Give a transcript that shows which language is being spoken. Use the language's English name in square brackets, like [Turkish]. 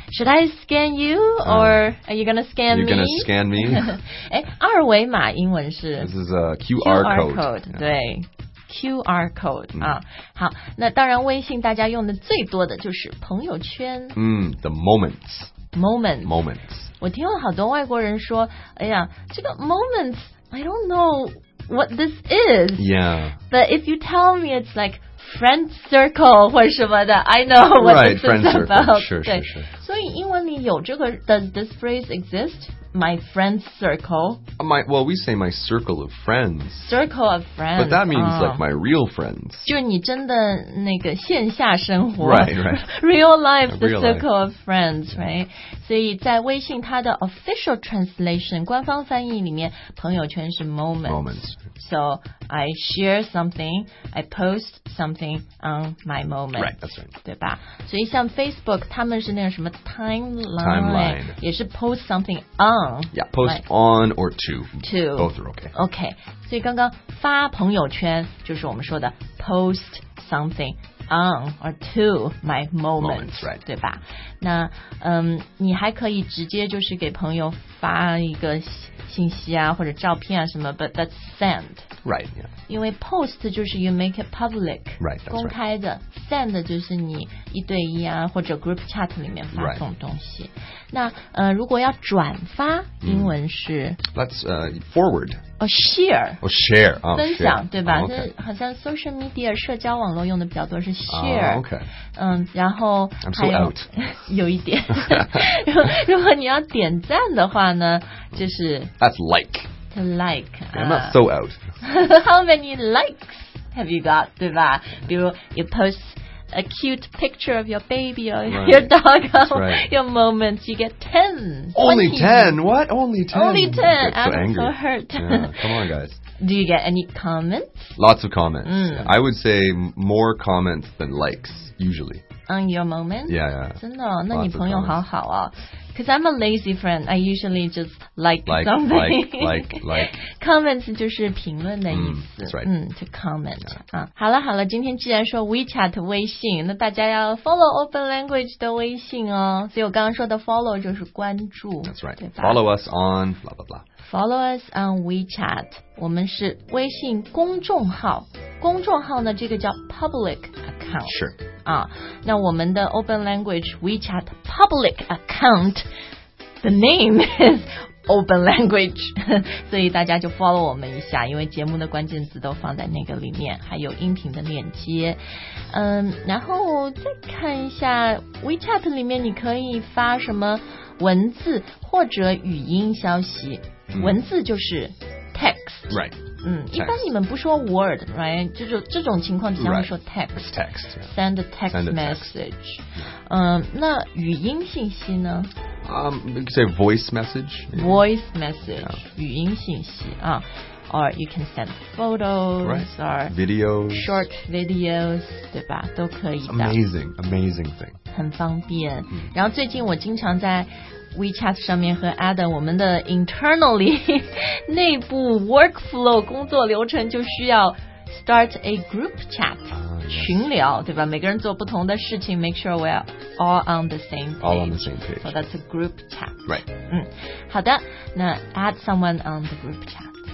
[English] Should I scan you or are you gonna scan me? You gonna scan me? [Chinese] 哎，二维码英文是 [English] ？This is a QR code. Code 对 ，QR code 啊。 [Chinese] 好，那当然，微信大家用的最多的就是朋友圈。 [English] The moments. Moments. Moments. [Chinese] 我听了好多外国人说，哎呀，这个 moments [English] I don't know what this is. Yeah. But if you tell me, it's like. Friend circle [Chinese] 或什么的 [English] I know what right, this is friend about circle, [Chinese] 对 [English] sure, sure, sure. [Chinese] 所以英文里有这个 [English] Does this phrase exist? My friend circle Well we say my circle of friends Circle of friends But that means like my real friends [Chinese] 就你真的那个线下生活 [English] Right, right Real life the circle of friends Right [Chinese] 所以在微信它的 [English] official translation [Chinese] 官方翻译里面朋友圈是 [English] moments So I share something I postSomething on my moment. Right, that's right. [Chinese] 对吧？所以像 Facebook， 他们是那个什么 [English] timeline，也是 post something on. Yeah, post like, on or to. To. Both are okay. Okay. [Chinese] 所以刚刚发朋友圈就是我们说的 post something on or to my moment. [English] Moments, right. [Chinese] 对吧？那你还可以直接就是给朋友发一个信息啊，或者照片啊什么 ， [English] but that's send. Right, yeah. 因为 post 就是 you make it public, right, that's right. [Chinese] 公开的 send 就是你一对一啊或者 group chat 里面发送东西。 [English] Right. [Chinese] 那如果要转发，英文是 [English] let's forward. [Chinese] Share. 分享对吧？ [English] 这、oh, okay. [Chinese] 好像 social media 社交网络用的比较多是 share. [English] Oh, okay. [Chinese] 然后 [English] I'm so out. [Chinese] 有一点。如果你要点赞的话呢，就是 [English] that's like. Like, I'm not so out. How many likes have you got, [Chinese] 对吧？ [English] 比如 you post a cute picture of your baby or right, your dog, right. your moments, you get 10. Only 10? What? Only 10? Only 10. I get so angry. I'm so hurt. Yeah, come on, guys. Do you get any comments? Lots of comments. I would say more comments than likes, usually. On your moment? Yeah. [Chinese] 真的、哦、那你朋友好好啊。 [English] Because I'm a lazy friend. I usually just like something. Like. [Chinese] Comments 就是评论的意思。 [English] That's right. To comment.、Yeah. [Chinese] 好了好了今天既然说 WeChat 微信那大家要 follow Open Language 的微信哦。所以我刚刚说的 follow 就是关注。 [English] That's right. Follow us on blah blah blah. Follow us on WeChat. [Chinese] 我们是微信公众号。公众号呢这个叫 public account. [English] Sure. [Chinese] 那我们的 Open Language WeChat Public Account [English] The name is Open Language [Chinese] 所以大家就 follow 我们一下因为节目的关键词都放在那个里面还有音频的链接然后再看一下 WeChat 里面你可以发什么文字或者语音消息、嗯、文字就是 text [English] right [Chinese] 嗯，一般你们不说 word, right? 这种情况比较会说 text, [English] right. text、yeah. send a text, send a text. [Chinese] message、那语音信息呢、 [English] you can say voice message、 yeah. voice message、yeah. [Chinese] 语音信息、 [English] or you can send photos、 right. or videos [Chinese] short videos 对吧都可以的 [English] amazing, amazing thing [Chinese] 很方便、嗯、然后最近我经常在WeChat 上面和 Adam 我们的 internally 内部 workflow 工作流程就需要 [English] start a group chat、 [Chinese] 群聊对吧每个人做不同的事情 [English] make sure we're all on the same page all on the same page so that's a group chat right、 [Chinese] 嗯、好的那 [English] add someone on the group chat、